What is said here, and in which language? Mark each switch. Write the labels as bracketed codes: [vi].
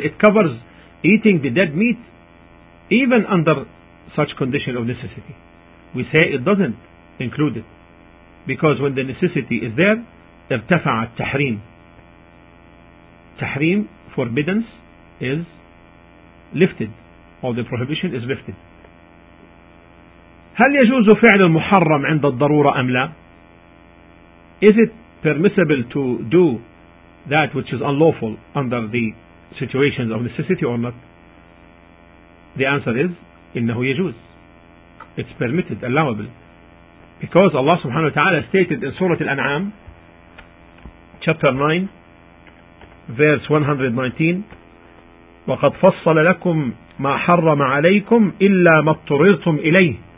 [en] It covers eating the dead meat even under such condition of necessity. We say it doesn't include it, because when the necessity is there, [ar] ارتفع التحريم. [en] تحريم, forbiddance, is lifted, or the prohibition is lifted. [ar] هل يجوز فعل المحرم عند الضرورة أم لا? [en] Is it permissible to do that which is unlawful under the situations of necessity or not? The answer is [ar] إنه يجوز. [en] It's permitted, allowable. Because Allah subhanahu wa ta'ala stated in Surah Al-An'am, chapter 9, verse 119, [ar] وَقَدْ فَصَّلَ لَكُمْ مَا حَرَّمَ عَلَيْكُمْ إِلَّا مَا اضْطُرِرْتُمْ إِلَيْهِ.